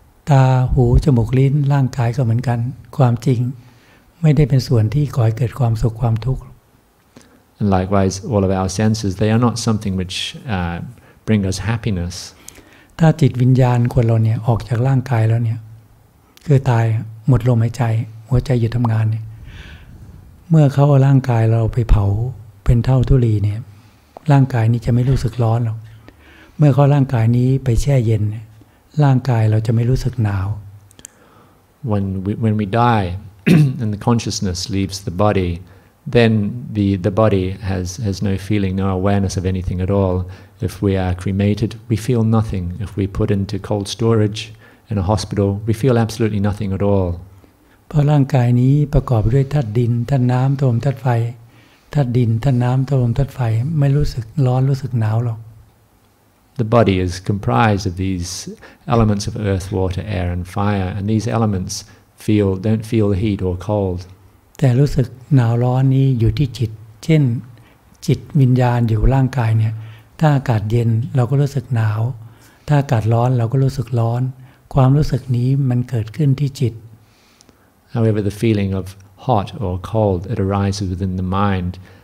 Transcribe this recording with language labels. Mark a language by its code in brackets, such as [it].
[th] ตาหูจมูกลิ้นร่างกายก็เหมือนกันความจริงไม่ได้เป็นส่วนที่ก่อให้เกิดความสุขความทุกข์ [en] And likewise, all of our senses, they are not something which bring us happiness. [th] ถ้าจิตวิญญาณคนเราเนี่ยออกจากร่างกายแล้วเนี่ยคือตายหมดลมหายใจหัวใจหยุดทำงานเนี่ยเมื่อเขาเอาร่างกายเราไปเผาเป็นเท่าธุลีเนี่ยร่างกายนี้จะไม่รู้สึกร้อนหรอกเมื่อเขาร่างกายนี้ไปแช่เย็นร่างกายเราจะไม่รู้สึกหนาว [en] when we die and the consciousness leaves the body then the body has no feeling no awareness of anything at all if we are cremated we feel nothing if we put into cold storage in a hospital we feel absolutely nothing at all [th] เพราะร่างกายนี้ประกอบด้วยธาตุดินธาตุน้ำธาตุลมธาตุไฟธาตุดินธาตุน้ำธาตุลมธาตุไฟไม่รู้สึกร้อนรู้สึกหนาวหรอก [en] The body is comprised of these elements of earth, water, air, and fire, and these elements don't feel heat or cold. [th] แต่รู้สึกหนาวร้อนนี้อยู่ที่จิตเช่นจิตวิญญาณอยู่ร่างกายเนี่ยถ้าอากาศเย็นเราก็รู้สึกหนาวถ้าอากาศร้อนเราก็รู้สึกร้อนความรู้สึกนี้มันเกิดขึ้นที่จิต [en] However, the feeling of hot or cold it arises within the mind.